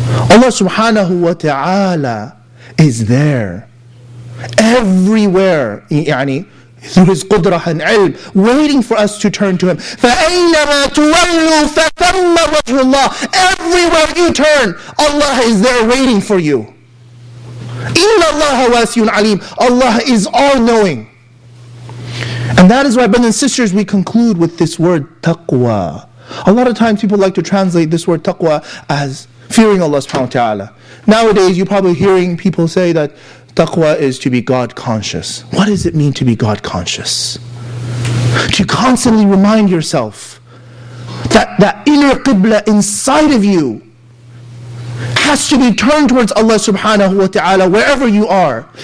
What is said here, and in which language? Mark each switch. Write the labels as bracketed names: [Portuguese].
[English] Allah subhanahu wa ta'ala is there, everywhere, يعني, through His qudrah and ilm, waiting for us to turn to Him. [Arabic] فَأَيْنَمَا تُوَلُّوا فَثَمَّ وَجْهُ اللَّهِ [English] Everywhere you turn, Allah is there waiting for you. [Arabic] إِنَّ اللَّهَ وَاسِيٌ عَلِيمٌ [English] Allah is all-knowing. And that is why, brothers and sisters, we conclude with this word, taqwa. A lot of times people like to translate this word taqwa as fearing Allah subhanahu wa ta'ala. Nowadays, you're probably hearing people say that taqwa is to be God-conscious. What does it mean to be God-conscious? To constantly remind yourself that that inner qibla inside of you has to be turned towards Allah subhanahu wa ta'ala wherever you are.